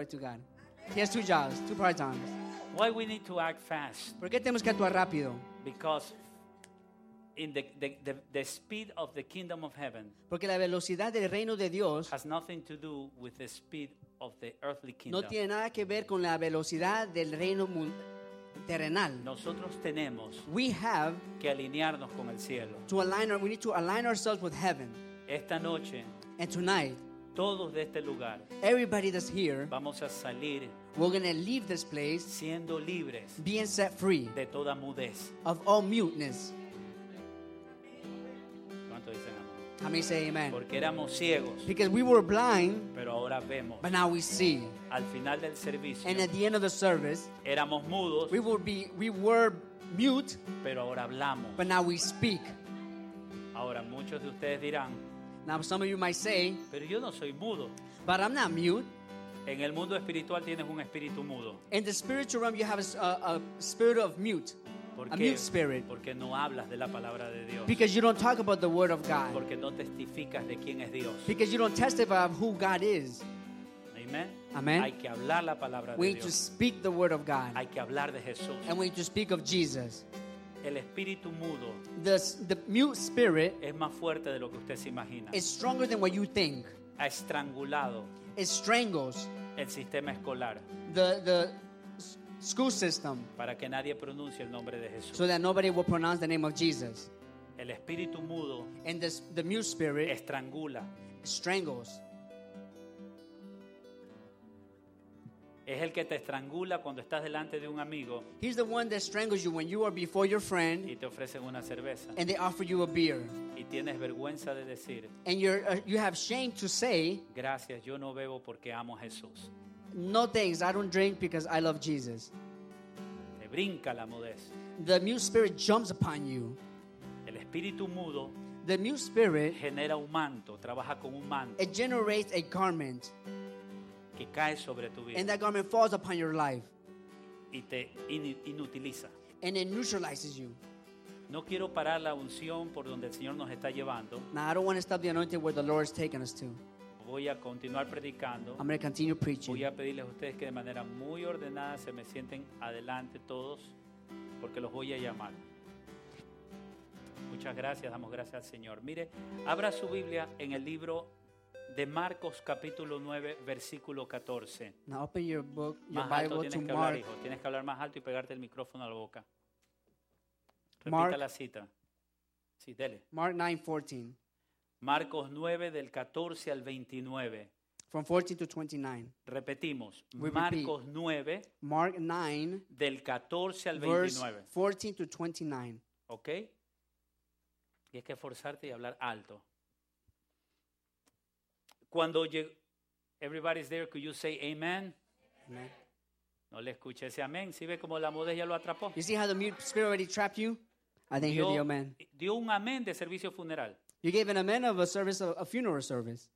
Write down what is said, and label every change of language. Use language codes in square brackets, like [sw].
[en] Glory to God. He has two jobs, two part-times. Why we need to act fast? [es] ¿Por qué tenemos que actuar rápido? [en] Because in the speed of the kingdom of heaven, [es] porque la velocidad del reino de Dios [en] has nothing to do with the speed of the earthly kingdom. [es] No tiene nada que ver con la velocidad del reino terrenal. Nosotros tenemos, [en] we have [es] que alinearnos con el cielo. [en] We need to align ourselves with heaven. [es] Esta noche, [en] and tonight, [es] todos de este lugar, [en] everybody that's here, [es] vamos a salir, [en] we're going to leave this place [es] siendo libres, [en] being set free [es] de toda mudez, [en] of all muteness. How many say amen? [es] Porque éramos ciegos, [en] because we were blind, [es] pero ahora vemos, [en] but now we see. [es] Al final del servicio, [en] and at the end of the service, [es] éramos mudos, [en] we were mute, [es] pero ahora hablamos, [en] but now we speak. [es] Ahora muchos de ustedes dirán, [en] now some of you might say, [es] pero yo no soy mudo, [en] but I'm not mute. [es] En el mundo espiritual tienes un espíritu mudo. [en] In the spiritual realm you have a spirit of mute. [es] Porque, [en] a mute spirit. [es] Porque no hablas de la palabra de Dios. [en] Because you don't talk about the word of God. [es] Porque no testificas de quién es Dios. [en] Because you don't testify of who God is. Amen. Amen. [es] Hay que hablar la palabra [en] we [es] de Dios. [en] We need to speak the word of God. [es] Hay que hablar de Jesús. [en] And we need to speak of Jesus. [es] El espíritu mudo, [en] the mute spirit, [es] es más fuerte de lo que usted se imagina. [en] Is stronger than what you think. [es] Ha estrangulado. [en] It strangles [es] el sistema escolar. [en] The school system, [es] para que nadie pronuncie el nombre de Jesús, [en] so that nobody will pronounce the name of Jesus. [es] El espíritu mudo, [en] and the mute spirit, [es] estrangula, [en] strangles. [es] Es el que te estrangula cuando estás delante de un amigo. [en] He's the one that strangles you when you are before your friend. [es] Y te ofrecen una cerveza. [en] And they offer you a beer. [es] Y tienes vergüenza de decir. [en] And you have shame to say. [es] Gracias, yo no bebo porque amo a Jesús. [en] No thanks, I don't drink because I love Jesus. [es] Te brinca la mudez. [en] The mute spirit jumps upon you. [es] El espíritu mudo, [en] the mute spirit, [es] genera un manto, trabaja con un manto. [en] It generates a garment [es] que cae sobre tu vida. [en] And that garment falls upon your life. [es] y te inutiliza. [en] And it neutralizes you. [es] No quiero parar la unción por donde el Señor nos está llevando. [en] Now, I don't want to stop the anointing where the Lord is taking us to. [es] Voy a continuar predicando. [en] I'm going to continue preaching. [es] Voy a pedirles a ustedes que de manera muy ordenada se me sienten adelante todos, porque los voy a llamar. Muchas gracias, damos gracias al Señor. Mire, abra su Biblia en el libro de Marcos capítulo 9, versículo 14. [en] Now open your book, your [es] más [en] Bible [es] alto tienes [en] to [es] que [en] Mark. [es] Hablar, hijo. Tienes que hablar más alto y pegarte el micrófono a la boca. Repita Mark, la cita. Sí, dele. [en] Mark 9, 14. [es] Marcos 9, del 14 al 29. [en] From 14 to 29. [es] Repetimos. [en] We [es] Marcos [en] repeat. [es] 9. [en] Mark 9. [es] Del 14 al [en] verse 29. 14 to 29. [es] Okay. Y es que esforzarte y hablar alto. Cuando llegó. [en] Everybody's there, could you say amen? Amen. [es] No le escuché ese amén. ¿Sí ve cómo la mudez ya lo atrapó? [en] You see how the mute spirit already trapped you? I didn't hear the amen. [es] Dio un amén de servicio funeral. [en] You gave an amen of a service, a funeral service.